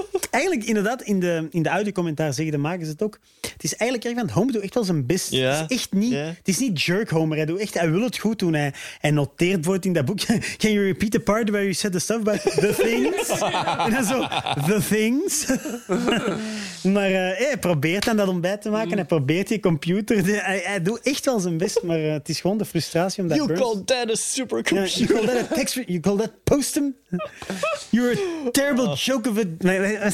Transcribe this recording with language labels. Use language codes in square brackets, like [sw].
[nl] Eigenlijk, inderdaad, in de audio-commentaar zeggen de makers het ook. Het is eigenlijk erg, want Homer doet echt wel zijn best. [en] Yeah. [nl] Het is echt niet, yeah. Het is niet jerk Homer. Hij wil het goed doen. Hij noteert voor het in dat boek. [en] Can you repeat the part where you said the stuff about the things? [nl] En dan zo, [en] the things. [nl] Maar hij probeert aan dat ontbijt te maken. Mm. Hij probeert die computer. Hij doet echt wel zijn best, maar het is gewoon de frustratie. Omdat [en] you Burns... call that a supercomputer. Yeah, you call that a text... You call that post-em? You're a terrible joke of a...